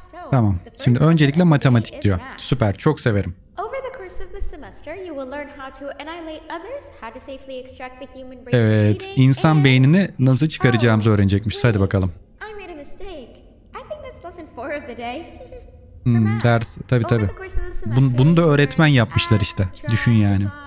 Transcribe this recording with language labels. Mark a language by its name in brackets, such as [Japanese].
[Turkish] Tamam. Şimdi öncelikle matematik diyor. Süper. Çok severim. [English] course of the semester you will learn how to annihilate others, how to safely extract the human brain. [Turkish] Evet, insan beynini nasıl çıkaracağımızı öğrenecekmiş. Hadi bakalım. [English] I made a mistake. I think that's lesson 4 of the day. [Turkish] Ders tabii. Bunu da öğretmen yapmışlar işte. Düşün yani.